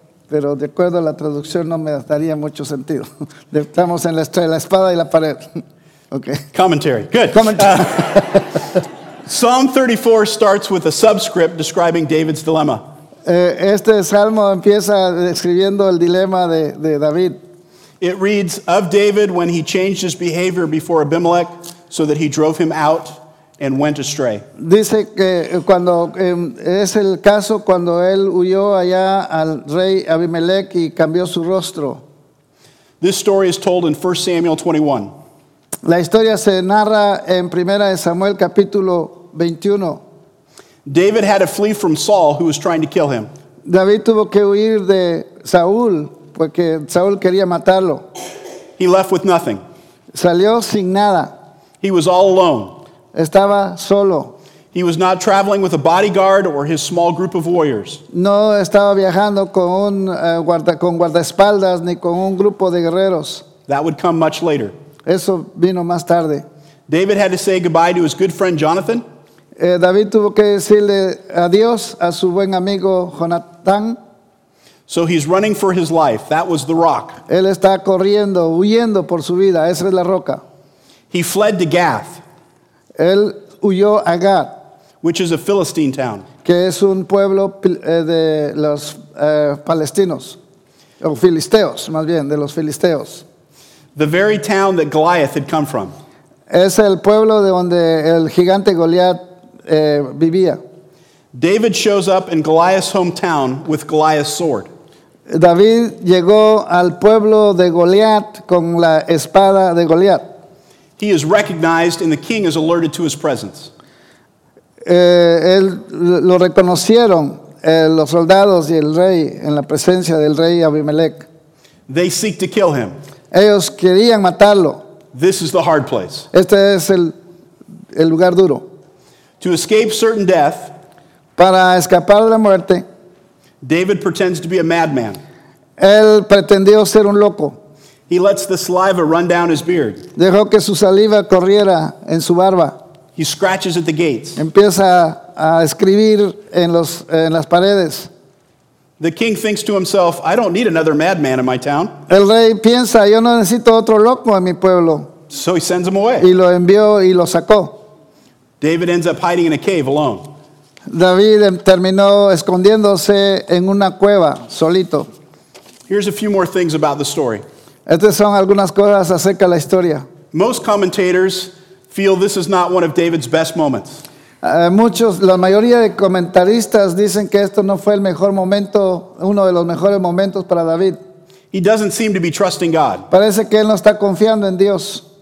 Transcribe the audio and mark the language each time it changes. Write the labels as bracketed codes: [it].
[es] Pero de acuerdo a la traducción no me daría mucho sentido. Estamos en la espada y la pared. Okay. [en] Commentary. Good. Psalm 34 starts with a subscript describing David's dilemma. [es] Este salmo empieza describiendo el dilema de David. [en] It reads, of David when he changed his behavior before Abimelech so that he drove him out and went astray. [es] Dice que cuando es el caso cuando él huyó allá al rey Abimelech y cambió su rostro. [en] This story is told in 1 Samuel 21. [es] La historia se narra en 1 Samuel capítulo 21. [en] David had to flee from Saul, who was trying to kill him. [es] David tuvo que huir de Saúl porque Saúl quería matarlo. [en] He left with nothing. [es] Salió sin nada. [en] He was all alone. [es] Estaba solo. [en] He was not traveling with a bodyguard or his small group of warriors. [es] No estaba viajando con un con guardaespaldas ni con un grupo de guerreros. [en] That would come much later. [es] Eso vino más tarde. [en] David had to say goodbye to his good friend Jonathan. [es] David tuvo que decirle adiós a su buen amigo Jonathan. [en] So he's running for his life. That was the rock. [es] Él está corriendo, huyendo por su vida. Esa es la roca. [en] He fled to Gath. [es] Él huyó a Gath, [en] which is a Philistine town, [es] que es un pueblo de los palestinos, o filisteos, más bien, de los filisteos. [en] The very town that Goliath had come from. [es] Es el pueblo de donde el gigante Goliath vivía. [en] David shows up in Goliath's hometown with Goliath's sword. [es] David llegó al pueblo de Goliath con la espada de Goliath. [en] He is recognized and the king is alerted to his presence. [es] Él lo reconocieron los soldados y el rey en la presencia del rey Abimelech. [en] They seek to kill him. [es] Ellos querían matarlo. [en] This is the hard place. [es] Este es el lugar duro. [en] To escape certain death, [es] para escapar de la muerte, [en] David pretends to be a madman. [es] Él pretendió ser un loco. [en] He lets the saliva run down his beard. [es] Dejó que su saliva corriera en su barba. [en] He scratches at the gates. [es] Empieza a escribir en las paredes. [en] The king thinks to himself, I don't need another madman in my town. [es] El rey piensa, yo no necesito otro loco en mi pueblo. [en] So he sends him away. [es] Y lo envió y lo sacó. [en] David ends up hiding in a cave alone. [es] David terminó escondiéndose en una cueva solito. [en] Here's a few more things about the story. [es] Estas son algunas cosas acerca de la historia. [en] Most commentators feel this is not one of David's best moments. [es] Muchos, la mayoría de comentaristas dicen que esto no fue el mejor momento, uno de los mejores momentos para David. [en] He doesn't seem to be trusting God. [es] Parece que él no está confiando en Dios.